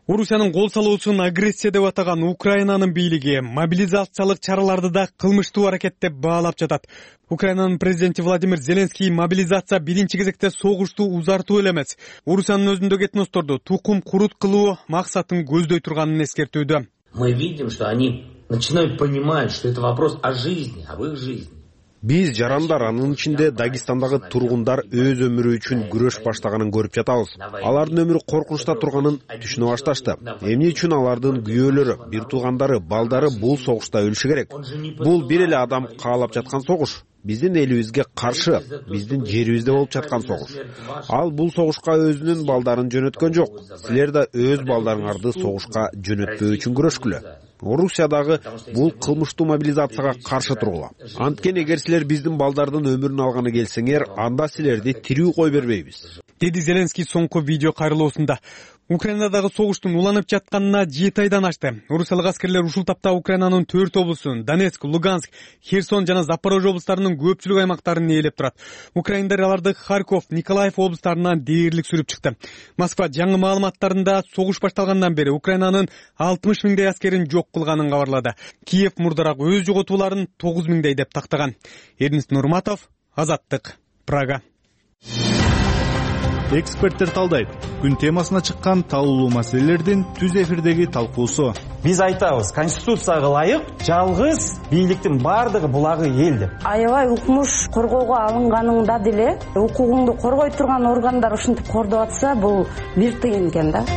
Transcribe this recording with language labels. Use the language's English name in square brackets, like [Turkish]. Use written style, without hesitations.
[Kyrgyz] Орусиянын кол салуусун агрессия деп атаган Украинанын бийлиги мобилизациялык чараларды да кылмыштуу аракет деп баалап жатат. Украинанын президенти Владимир Зеленский мобилизация биринчи кезекте согушту узартуу эле эмес, Орусиянын өзүндөгү этносторду тукум курут кылуу максатын көздөй турганын эскертүүдө. [Russian] Мы видим, что они начинают понимать, что это вопрос о жизни, об их жизни. [Kyrgyz] Биз жарандар, анын ичинде Дагестандагы тургундар өз өмүрү үчүн күрөш баштаганын көрүп жатабыз. Алардын өмүрү коркунучта турганын түшүнө башташты. Эмне үчүн алардын күйөөлөрү, бир туугандары, балдары бул согушта өлүшү керек? Бул бир эле адам каалап жаткан согуш. Биздин элибизге каршы, биздин жерибизде болуп жаткан согуш. Ал бул согушка өзүнүн балдарын жөнөткөн жок. Силер да өз балдарыңарды согушка жөнөтпөө үчүн күрөшкүлө. Орусиядагы бул кылмыштуу мобилизацияга каршы тургула. Анткени эгер силер биздин балдардын өмүрүн алганы келсеңер, анда силерди тирүү кой бербейбиз. деди Зеленский соңку видео кайрылуусунда. Украинадагы согуштун уланып жатканына 7 айдан ашты. Орусиялык аскерлер ушул тапта Украинанын 4 облусун, Донецк, Луганск, Херсон жана Запорожье облустарынын көпчүлүк аймактарын ээлеп турат. Украиндар аларды Харьков, Николаев облустарынан дээрлик сүрүп чыкты. Москва жаңы маалыматтарында согуш башталгандан бери Украинанын 60 миңдей аскерин жок кылганын кабарлады. Киев мурдараак өз жоготууларын 9 миңдей деп тактаган. Эрнис Нурматов, Азаттык, Прага. Эксперттер талдайт. Күн темасына чыккан талуулуу маселелердин түз эфирдеги талкуусу. Биз айтабыз, конституцияга ылайык жалгыз бийликтин бардыгы булагы эл деп. Аябай укмуш коргоого алынганыңда деле укугуңду коргой турган органдар ушинтип кордоп атса, бул бир тыйын экен да.